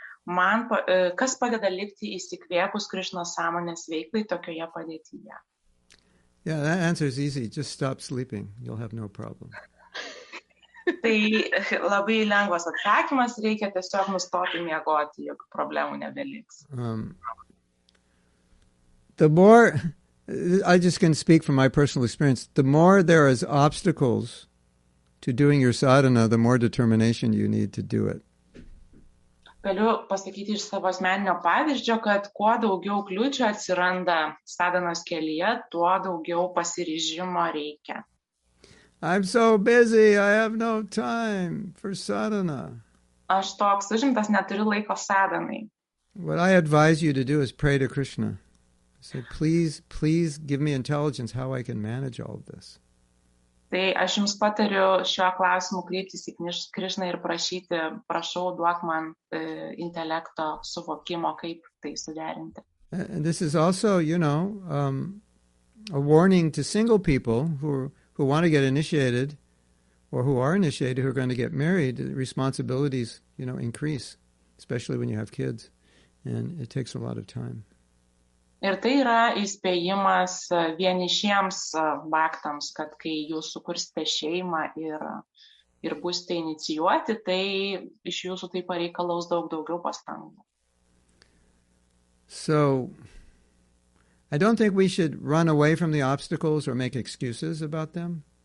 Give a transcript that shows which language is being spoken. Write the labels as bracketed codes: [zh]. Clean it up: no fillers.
[lt] Man, kas padeda likti įsikvėpus Krišnos sąmonės veiklai tokioje padėtyje? [en] Yeah, that answer is easy. Just stop sleeping. You'll have no problem. [lt] Tai labai lengvas atsakymas, reikia tiesiog nustoti miegoti, jokių problemų nebeliks. [en] The more, I just can speak from my personal experience, the more there is obstacles to doing your sadhana, the more determination you need to do it. [lt] Galiu pasakyti iš savo asmeninio pavyzdžio, kad kuo daugiau kliūčių atsiranda sadhanos kelyje, tuo daugiau pasiryžimo reikia. [en] I'm so busy, I have no time for sadhana. [lt] Aš toks užimtas, neturiu laiko sadhanai. [en] What I advise you to do is pray to Krishna. So please, please give me intelligence how I can manage all of this. [lt] Tai aš jums patariu šiuo klausimu kreiptis į Krišną ir prašyti, prašau, duok man intelekto suvokimo, kaip tai suderinti. [en] And this is also, you know, a warning to single people who want to get initiated or who are initiated, who are going to get married, responsibilities, you know, increase, especially when you have kids, and it takes a lot of time. [lt] Ir tai yra įspėjimas vienišiems baktams, kad kai jūs sukursite šeimą ir būsite inicijuoti, tai iš jūsų tai pareikalaus daug daugiau pastangų. [en] So, I don't think we should run away from the obstacles or make excuses about them.